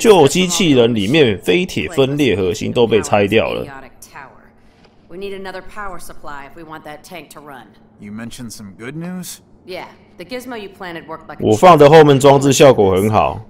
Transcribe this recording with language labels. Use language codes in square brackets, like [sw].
[zh] 旧机器人里面非铁分裂核心都被拆掉了。 [en] We need another power supply if we want that tank to run. You mentioned some good news. Yeah, the gizmo you planted worked like. [zh] 我放的后门装置效果很好。